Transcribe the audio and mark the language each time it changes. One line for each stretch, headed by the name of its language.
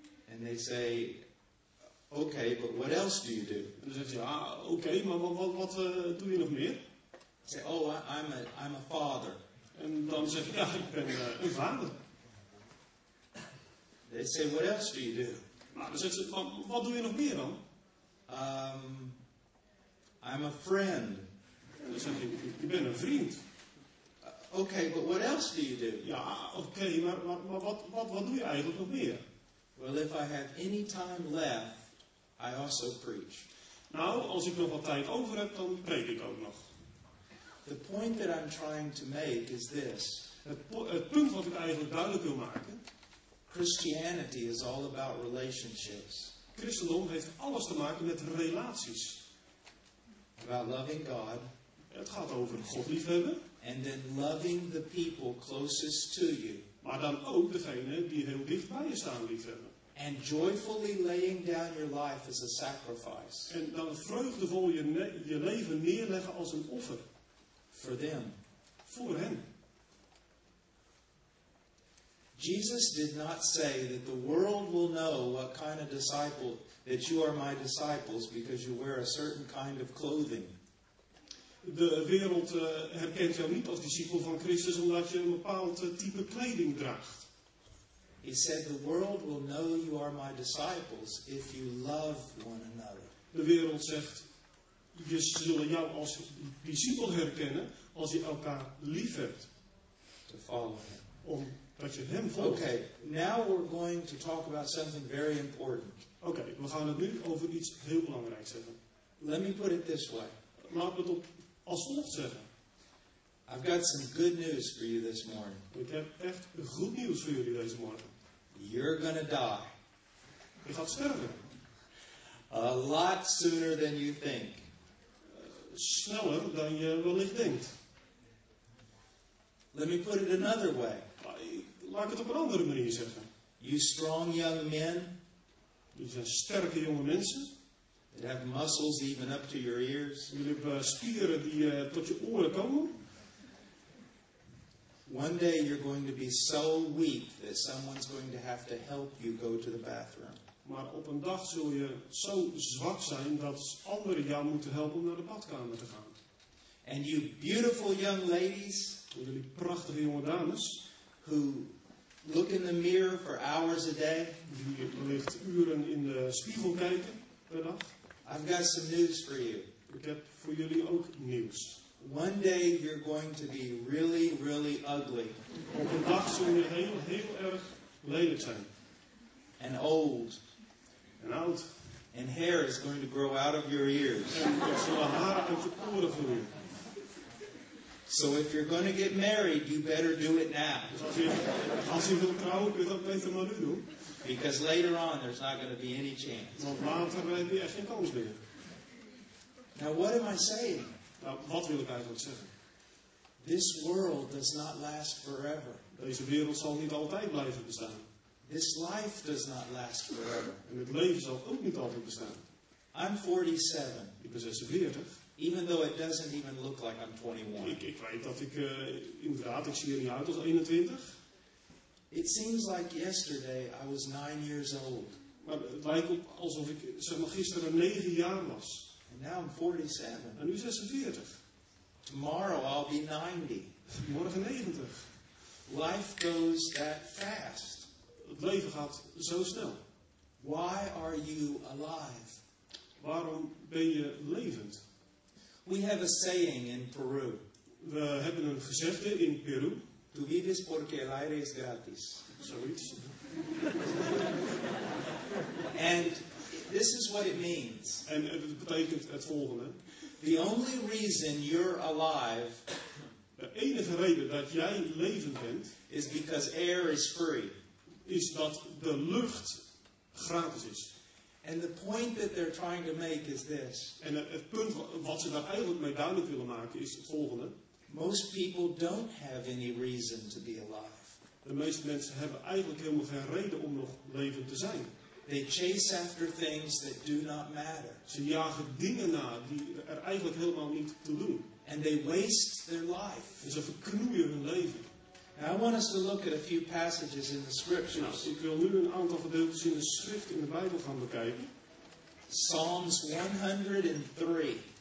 English: And they say, okay, but what else do you do?
Dutch: En dan zeggen ze, okay, maar wat doe je nog meer?
English: I say, oh, I'm a father.
Dutch: En dan zeg ik, ja, ik ben een vader.
English: They say, what else do you do?
Dutch: Maar dan zeggen ze, wat doe je nog meer dan?
English: I'm a friend.
Dutch: En dan zeg ik, je bent een vriend.
English: Okay, but what else do you do?
Dutch: Ja, okay, maar wat doe je eigenlijk nog meer?
English: Well, if I have any time left, I also preach.
Dutch: Nou, als ik nog wat tijd over heb, dan preek ik ook nog.
English: The point that I'm trying to make is this.
Dutch: Het punt wat ik eigenlijk duidelijk wil maken.
English: Christianity is all about relationships.
Dutch: Christendom heeft alles te maken met relaties.
English: About loving God.
Dutch: Het gaat over God liefhebben.
English: And then loving the people closest to you.
Dutch: Maar dan ook degene die heel dicht bij je staan liefhebben.
English: And joyfully laying down your life as a sacrifice.
Dutch: En dan vreugdevol je leven neerleggen als een offer.
English: For them.
Dutch: Voor hen.
English: Jesus did not say that the world will know what kind of disciple that you are my disciples because you wear a certain kind of clothing.
Dutch: De wereld herkent jou niet als discipel van Christus omdat je een bepaald type kleding draagt.
English: He said the world will know you are my disciples if you love one another.
Dutch: De wereld zegt, je zullen jou als discipel herkennen als je elkaar lief hebt.
English: To follow him.
Dutch: Omdat je hem volgt.
English: Okay, now we're going to talk about something very important.
Dutch: Okay, we gaan het nu over iets heel belangrijks hebben.
English: Let me put it this way.
Dutch: Laat het op als volgt zeggen.
English: I've got some good news for you this morning.
Dutch: Ik heb echt goed nieuws voor jullie deze morgen.
English: You're gonna die.
Dutch: Je gaat sterven.
English: A lot sooner than you think.
Dutch: Sneller dan je wellicht denkt.
English: Let me put it another way.
Dutch: Laat ik het op een andere manier zeggen.
English: You strong young men.
Dutch: Jullie zijn sterke jonge mensen.
English: That have muscles even up to your ears.
Dutch: Jullie hebben spieren die tot je oren komen.
English: One day you're going to be so weak that someone's going to have to help you go to the bathroom.
Dutch: Maar op een dag zul je zo zwak zijn dat anderen jou moeten helpen om naar de badkamer te gaan.
English: And you beautiful young ladies,
Dutch: jullie prachtige jonge dames,
English: who look in the mirror for hours a day,
Dutch: die wellicht uren in de spiegel kijken per dag.
English: I've got some news for you.
Dutch: Ik heb voor jullie ook nieuws.
English: One day you're going to be really, really ugly.
Dutch: Op een dag zul je heel, heel erg lelijk zijn.
English: And old.
Dutch: And oud.
English: And hair is going to grow out of your ears.
Dutch: En zullen haren uit je oren groeien.
English: So if you're going to get married, you better do it now.
Dutch: Dus als je wilt trouwen, kun je dat beter maar nu doen.
English: Because later on, there's not going to be any chance.
Dutch: Want later heb je echt geen kans meer.
English: Now what am I saying?
Dutch: Nou, wat wil ik eigenlijk zeggen?
English: This world does not last forever.
Dutch: Deze wereld zal niet altijd blijven bestaan.
English: This life does not last forever.
Dutch: En het leven zal ook niet altijd bestaan.
English: I'm 47.
Dutch: Ik ben 46.
English: Even though it doesn't even look like I'm 21.
Dutch: Ik weet dat ik inderdaad, ik zie er niet uit als 21.
English: It seems like yesterday I was 9 years old.
Dutch: Maar het lijkt op alsof ik zeg maar gisteren 9 jaar was.
English: And now I'm 47.
Dutch: En nu 46.
English: Tomorrow I'll be 90.
Dutch: Morgen 90.
English: Life goes that fast.
Dutch: Het leven gaat zo snel.
English: Why are you alive?
Dutch: Waarom ben je levend?
English: We have a saying in Peru.
Dutch: We hebben een gezegde in Peru.
Spanish: Tu vives porque el aire es gratis.
Dutch: Zoiets.
English: And this is what it means.
Dutch: En het betekent het volgende.
English: The only reason you're alive,
Dutch: de enige reden dat jij levend bent,
English: is because air is free.
Dutch: Is dat de lucht gratis is.
English: And the point that they're trying to make is this.
Dutch: En het punt wat ze daar eigenlijk mee duidelijk willen maken is het volgende.
English: Most people don't have any reason to be alive.
Dutch: De meeste mensen hebben eigenlijk helemaal geen reden om nog levend te zijn.
English: They chase after things that do not matter.
Dutch: Ze jagen dingen na die er eigenlijk helemaal niet toe doen.
English: And they waste their life.
Dutch: En ze verknoeien hun leven.
English: Now I want us to look at a few passages in the scriptures.
Dutch: Nou, ik wil nu een aantal gedeeltes in de schrift in de Bijbel gaan bekijken.
English: Psalms 103.